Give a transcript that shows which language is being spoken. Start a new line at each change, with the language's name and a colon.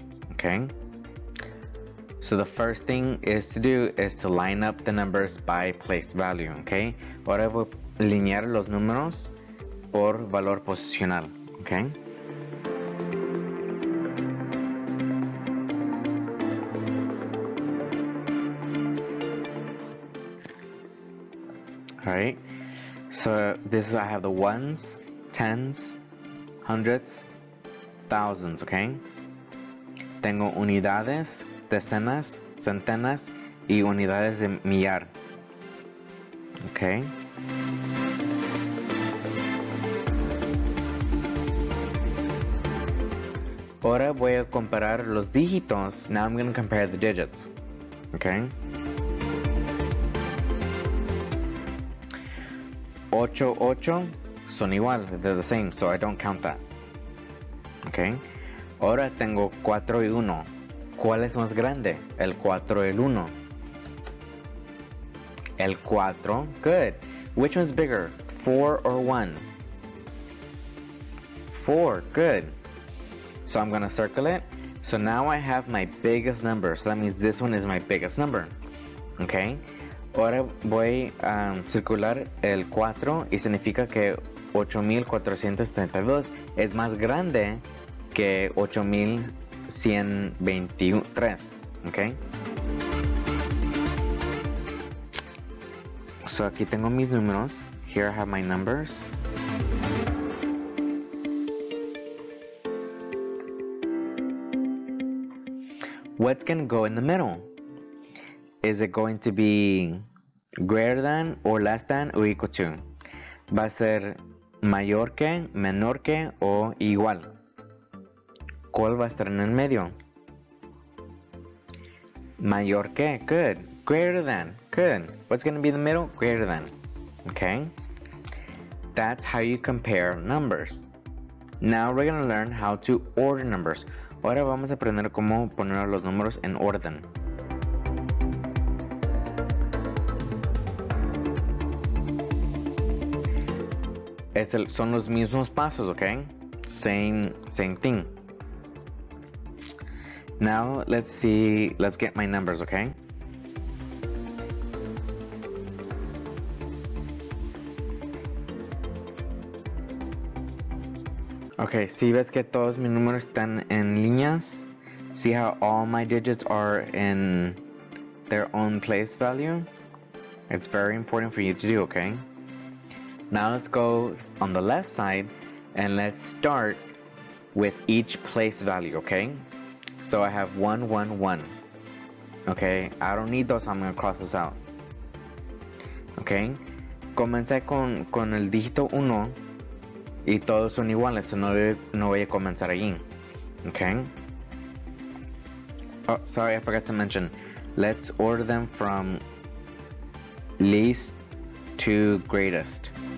English: Ok? So the first thing is to do is to line up the numbers by place value, ok?
Spanish: Ahora voy a alinear los números por valor posicional, ok?
English: Alright, so this is, I have the ones, tens, hundreds, thousands, ok?
Spanish: Tengo unidades, decenas, centenas y unidades de millar.
English: Okay.
Spanish: Ahora voy a comparar los dígitos.
English: Now I'm going to compare the digits. Okay.
Spanish: 8, 8 son igual.
English: They're the same, so I don't count that.
Spanish: Okay. Ahora tengo 4 y 1. ¿Cuál es más grande? El 4 y el 1. El 4.
English: Good. Which one's bigger? 4 or 1? 4. Good. So I'm going to circle it. So now I have my biggest number. So that means this one is my biggest number. Okay.
Spanish: Ahora voy a circular el 4 y significa que 8,432 es más grande que 8,123.
English: Okay. So
Spanish: aquí tengo mis números.
English: Here I have my numbers. What's going to go in the middle? Is it going to be greater than or less than or equal to?
Spanish: Va a ser mayor que, menor que o igual? ¿Cuál va a estar en el medio? Mayor que,
English: good. Greater than, good. What's going to be in the middle? Greater than, okay? That's how you compare numbers. Now we're going to learn how to order numbers.
Spanish: Ahora vamos a aprender cómo poner los números en orden. Son los mismos pasos, okay?
English: Same thing. Now let's get my numbers, okay? Okay,
Spanish: si ves que todos mis números están en líneas,
English: see how all my digits are in their own place value? It's very important for you to do, okay? Now let's go on the left side and let's start with each place value, okay? So I have 111. Okay, I don't need those, I'm gonna cross those out.
Spanish: Okay, comencé con el dígito 1 y todos son iguales, so no voy a comenzar allí.
English: Okay? Oh, sorry, I forgot to mention. Let's order them from least to greatest.